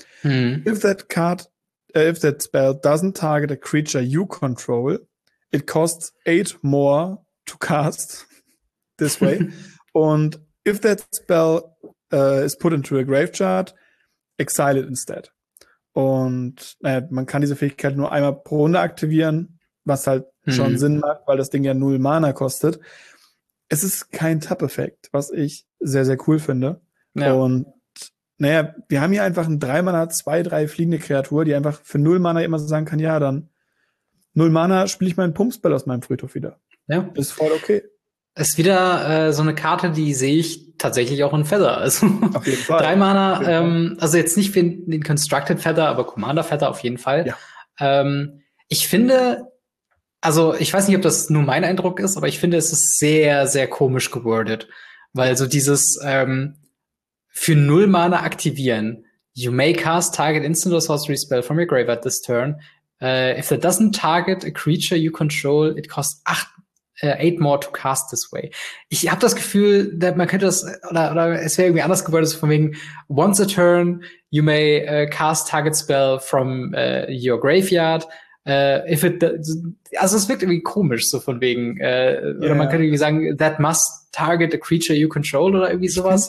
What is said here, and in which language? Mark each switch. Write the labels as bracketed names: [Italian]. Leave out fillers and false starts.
[English] If that spell doesn't target a creature you control, it costs 8 more to cast this way. Und if that spell is put into a graveyard, exile it instead. [German] Und man kann diese Fähigkeit nur einmal pro Runde aktivieren, was halt schon Sinn macht, weil das Ding ja 0 Mana kostet. Es ist kein Tap-Effekt, was ich sehr, sehr cool finde. Ja. Und wir haben hier einfach ein 3-Mana, 2-3 fliegende Kreatur, die einfach für 0 Mana immer so sagen kann, ja, dann null Mana spiele ich meinen Pumpspell aus meinem Friedhof wieder. Ja. Ist voll okay. Ist wieder so eine Karte, die sehe ich tatsächlich auch in Feather. Also auf jeden Fall. Drei Mana, also jetzt nicht für den Constructed Feather, aber Commander Feather auf jeden Fall. Ja. Ich finde, also ich weiß nicht, ob das nur mein Eindruck ist, aber ich finde, es ist sehr, sehr komisch gewordet. Weil so dieses für null Mana aktivieren, [English] you may cast target instant or sorcery spell from your graveyard this turn. If that doesn't target a creature you control, it costs 8 more to cast this way. [German] Ich habe das Gefühl, that man könnte das, oder es wäre irgendwie anders geworden, so von wegen, [English] once a turn, you may cast target spell from your graveyard. [German] If it, also es wirkt irgendwie komisch, so von wegen, yeah. Oder man könnte irgendwie sagen, [English] that must target a creature you control, [German] oder irgendwie sowas.